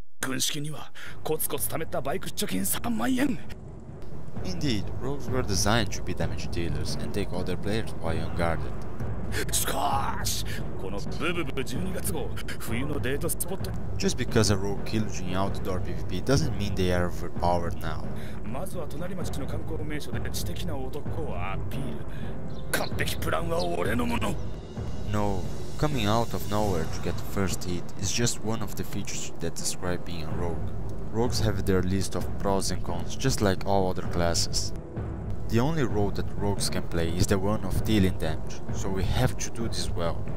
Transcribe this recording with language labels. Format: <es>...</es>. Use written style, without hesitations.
<ja>軍資金にはコツコツ貯めたバイク貯金3万円。</ja> <en>Indeed, rogues were designed to be damage dealers and take other players while unguarded.</en> <ja>しかし、このブブブブ12月号冬のデートスポット。</ja> <en>Just because a rogue killed you in outdoor PvP doesn't mean they are overpowered now.</en> <ja>まずは隣町の観光名所で知的な男をアピール。完璧プランは俺のもの。</ja> <en>No. Coming out of nowhere to get the first hit is just one of the features that describe being a rogue. Rogues have their list of pros and cons, just like all other classes. The only role that rogues can play is the one of dealing damage, so we have to do this well.</en>